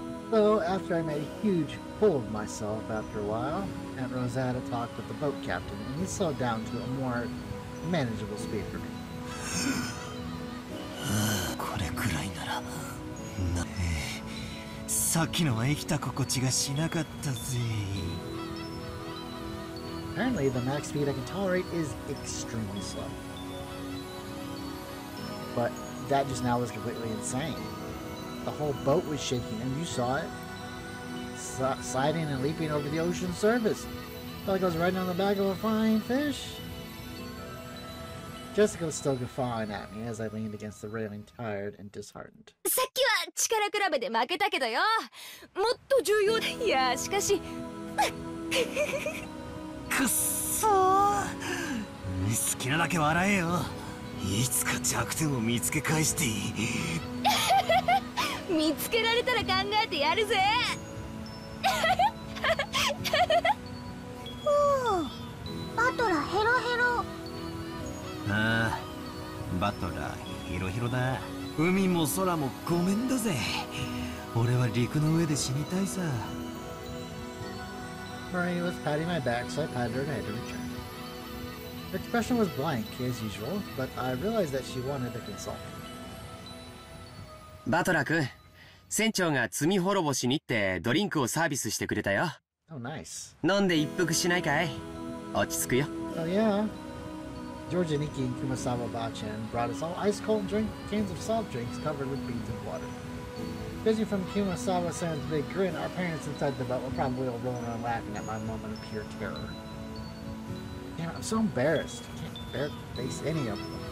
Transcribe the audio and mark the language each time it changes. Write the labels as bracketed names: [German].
[English] So after I made a huge fool of myself after a while, Aunt Rosetta talked with the boat captain and he slowed down to a more manageable speed for me. [Japanese] これくらいなら、な、さっきのは生きた心地がしなかったぜ。 [English] Apparently the max speed I can tolerate is extremely slow. But that just now was completely insane. The whole boat was shaking, and you saw it. Sliding and leaping over the ocean surface. Felt like I was riding on the back of a flying fish. Jessica was still guffawing at me as I leaned against the railing, tired and disheartened. [Japanese] さっきは力比べで負けたけどよ。もっと重要だ。いや、しかし。くっそー。好きなだけ笑えよ。いつか弱点を見つけ返していい。見つけられたら考えてやるぜ。ふう、バトラヘロヘロ。ああ、バトラヘロヘロだ。海も空もごめんだぜ。俺は陸の上で死にたいさ。 [English] Marie was patting my back, so I patted her head in return. Her expression was blank, as usual, but I realized that she wanted to consult. [Japanese] バトラ君。船長が罪滅ぼしにってドリンクをサービスしてくれたよ。 [English] Oh, nice. [Japanese] 飲んで一服しないかい。落ち着くよ。 [English] Oh, yeah. George and Nikki and Kumasawa Bachan brought us all ice cold drink, cans of soft drinks covered with beans and water. Judging from Kumasawa-san's big grin, our parents inside the boat were probably all rolling around laughing at my moment of pure terror. Damn, I'm so embarrassed. I can't bear to face any of them.